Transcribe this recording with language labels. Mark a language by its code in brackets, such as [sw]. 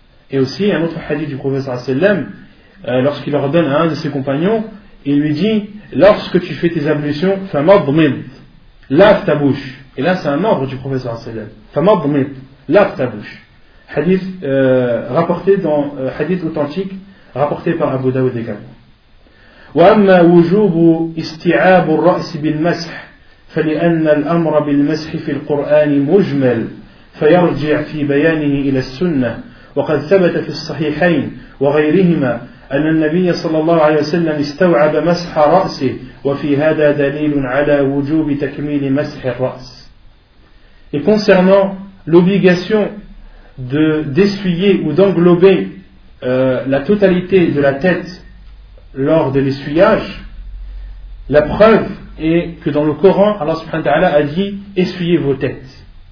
[fr] Et aussi un autre hadith du prophète sallallahu alayhi wa sallam, lorsqu'il ordonne à un de ses compagnons, il lui dit, lorsque tu fais tes ablutions, famadmid, lave ta bouche. Et là c'est un ordre du prophète sallallahu alayhi wa sallam. Famadmid, lave ta bouche. Hadith rapporté dans hadith authentique rapporté par Abu Dawud également. [ar] وأما وجوب استيعاب الرأس بالمسح فلأن الأمر بالمسح في القرآن مجمل فيرجع في بيانه إلى السنة، وقد ثبت في الصحيحين وغيرهما أن النبي صلى الله عليه وسلم استوعب مسح رأسه، وفي هذا دليل على وجوب تكميل مسح الرأس. [fr] Et concernant l'obligation de d'essuyer ou d'englober la totalité de la tête lors de l'essuyage, la preuve est que dans le Coran, Allah subhanahu wa ta'ala a dit « essuyez vos têtes ».